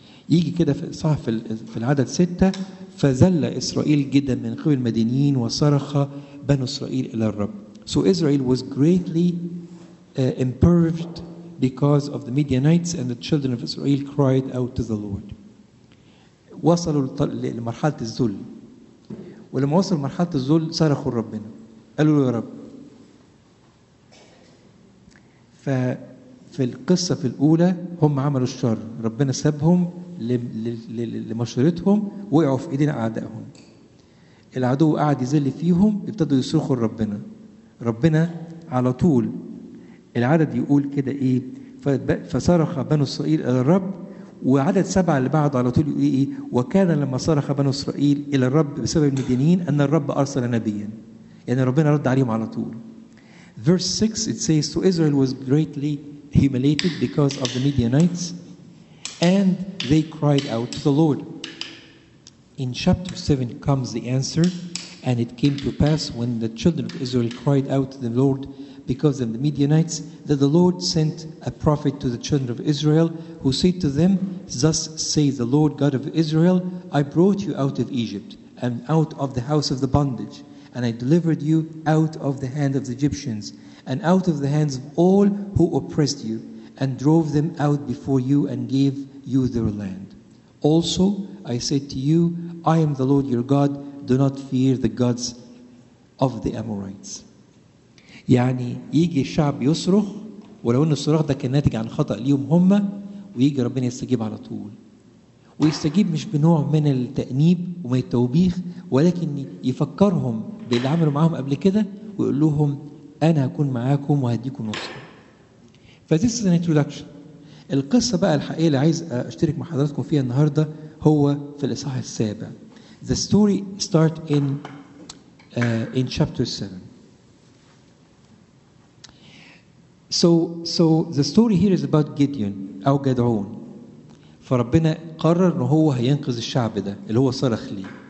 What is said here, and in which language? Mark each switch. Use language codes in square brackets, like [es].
[ar] يجي كده صح في العدد 6، فذل اسرائيل جدا من قبل المدينين وصرخ بنو اسرائيل الى الرب. [en] So Israel was greatly impoverished because of the Midianites and the children of Israel cried out to the Lord. [ar] وصلوا لمرحلة الذل، ولما وصلوا لمرحلة الذل صرخوا لربنا قالوا له يا رب. ففي القصة في الأولى هم عملوا الشر، ربنا سابهم لمشورتهم، وقعوا في إيدين أعدائهم. العدو قاعد يزل فيهم، ابتدوا يصرخوا لربنا. ربنا على طول العدد يقول كده إيه، فصرخ بنو إسرائيل إلى الرب. وعدد 7 اللي بعد على طول يقول إيه، وكان لما صرخ بنو إسرائيل إلى الرب بسبب المدينين أن الرب أرسل نبيا. يعني ربنا رد عليهم على طول. [en] Verse 6 it says, so Israel was greatly humiliated because of the Midianites and they cried out to the Lord. In chapter 7 comes the answer, and it came to pass when the children of Israel cried out to the Lord because of the Midianites, that the Lord sent a prophet to the children of Israel who said to them, thus says the Lord God of Israel, I brought you out of Egypt and out of the house of the bondage, and I delivered you out of the hand of the Egyptians and out of the hands of all who oppressed you, and drove them out before you and gave you their land. Also, I said to you, I am the Lord your God, do not fear the gods of the Amorites. [ar] يعني يجي الشعب يصرخ، ولو ان الصراخ ده كان ناتج عن خطأ ليهم هم، ويجي ربنا يستجيب على طول، ويستجيب مش بنوع من التأنيب ومن التوبيخ، ولكن يفكرهم باللي عملوا معهم قبل كده ويقول لهم انا هكون معاكم وهديكم نصر. [en] فديس an introduction. [ar] القصة بقى الحقيقة اللي عايز اشترك مع حضراتكم فيها النهاردة هو في الإصحاح 7. [en] The story start in chapter 7. So the story here is about Gideon [ar] أو جدعون. فربنا قرر أنه هو هينقذ الشعب ده اللي هو صرخ لي.